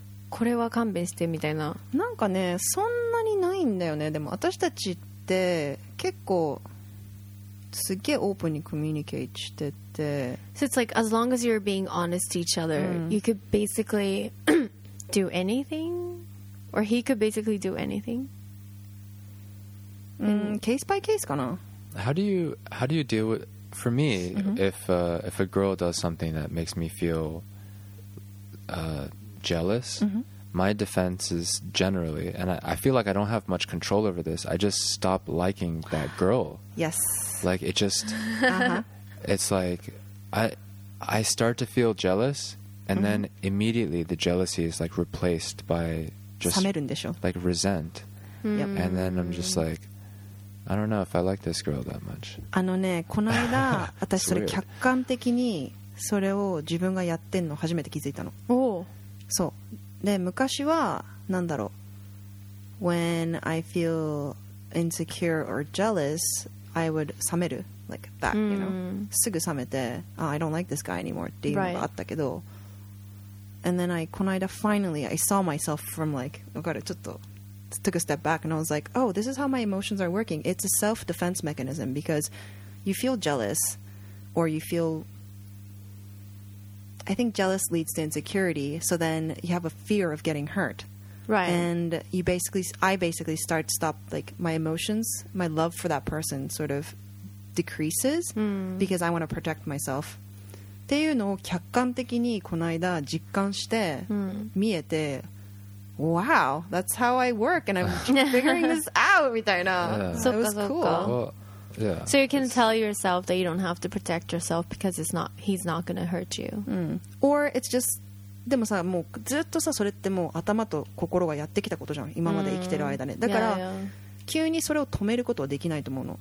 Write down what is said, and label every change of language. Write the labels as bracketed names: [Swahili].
[Japanese] これは勘弁してみたいな。なんかね、そんなにないんだよね。でも私たちって結構すっげーオープンにコミュニケートしてて、 [English] So it's like as long as you're being honest to each other、 [Japanese] うん、 [English] you could basically do anything or he could basically do anything、 [Japanese] うん、 [English] case by case [Japanese] かな。 [English] How do you deal with for me、 mm-hmm. if a girl does something that makes me feel jealous、 mm-hmm. my defense is generally and I feel like I don't have much control over this, I just stop liking that girl. Yes Like, it just, uh-huh. it's like, I start to feel jealous, and mm-hmm. then immediately the jealousy is, like, replaced by just, [Japanese] 冷めるんでしょ? [English] like, resent. Yep. And then I'm just like, I don't know if I like this girl that much. [Japanese] あのね、この間、私それ客観的にそれを自分がやってんの初めて気づいたの。おう。そう。で、昔は、なんだろう。 [English] When I feel insecure or jealous... I would [Japanese] 冷める [English] like that、mm. you know [Japanese] すぐ冷めて、 [English] oh, I don't like this guy anymore [Japanese] っていうのがあったけど、 [English] right. and then I [Japanese] この間 [English] finally I saw myself from like [Japanese] わかるちょっと [English] took a step back and I was like oh this is how my emotions are working, it's a self defense mechanism because you feel jealous or you feel I think jealous leads to insecurity, so then you have a fear of getting hurt Right. And you basically, I basically start to stop, like, my emotions, my love for that person sort of decreases、 mm. because I want to protect myself. [Japanese] っていうのを客観的にこの間実感して、 mm. 見えて、 [English] wow, that's how I work and I'm figuring this out [Japanese] みたいな。 [English] Yeah. [Japanese] そっかそっか。 [English] Well, So you can tell yourself that you don't have to protect yourself because it's not, he's not going to hurt you. Mm. Or it's just, [Japanese] でもさ、もうずっとさ、それってもう頭と心がやってきたことじゃん、今まで生きてる間ね。だから、急にそれを止めることはできないと思うの。